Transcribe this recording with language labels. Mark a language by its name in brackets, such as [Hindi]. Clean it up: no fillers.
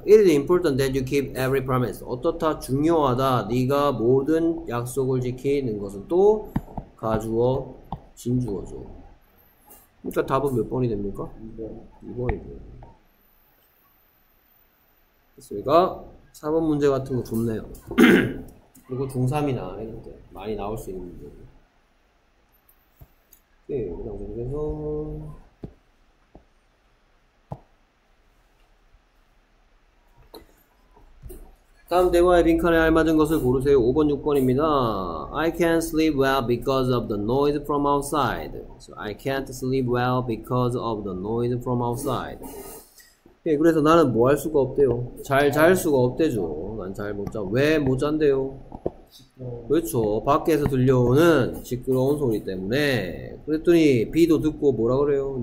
[English] It is important that you keep every promise. [Korean] 어떻다? 중요하다. 네가 모든 약속을 지키는 것은 또 가주어 진주어죠. 그러니까 답은 몇 번이 됩니까? 2번이고요. 그러니까 4번 문제 같은 거 좋네요. 그리고 중3이나 이런 때 많이 나올 수 있는 문제. 예, 그 정도에서 다음 대화의 빈칸에 알맞은 것을 고르세요. 5번, 6번입니다. [English] I can't sleep well because of the noise from outside. So I can't sleep well because of the noise from outside. [Korean] 예, 그래서 나는 뭐할 수가 없대요. 잘잘 수가 없대죠. 난잘못 자. 왜못 잔대요? 그렇죠. 밖에서 들려오는 시끄러운 소리 때문에. 그랬더니 B도 듣고 뭐라 그래요?